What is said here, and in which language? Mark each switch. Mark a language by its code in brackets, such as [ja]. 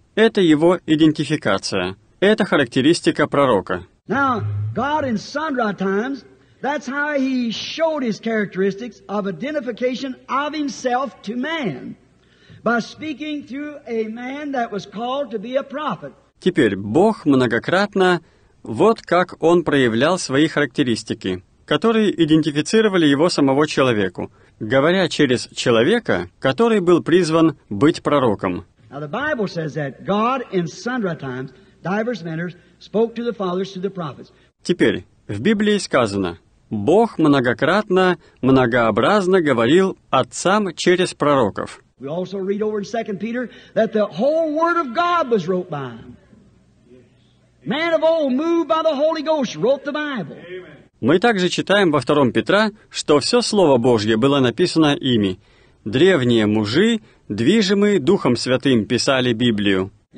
[ru] Это его идентификация. Это характеристика пророка. [en] Now, God in sundry times, that's how he showed his characteristics of identification of himself to man, by speaking through a man that was called to be a prophet. [ru] Теперь Бог многократно, вот как он проявлял свои характеристики, которые идентифицировали его самого человеку, говоря через человека, который был призван быть пророком. [en] Now the Bible says that God in sundry times, divers manners, spoke to the fathers through the prophets. [ru] Теперь в Библии сказано, Бог многократно, многообразно говорил отцам через пророков. [en] We also read over in 2 Peter that the whole word of God was wrote by him. Man of old, moved by the Holy Ghost, wrote the Bible. Amen. [ru] Мы также читаем во 2 Петра, что все Слово Божье было написано ими. Древние мужи, движимые Духом Святым, писали Библию.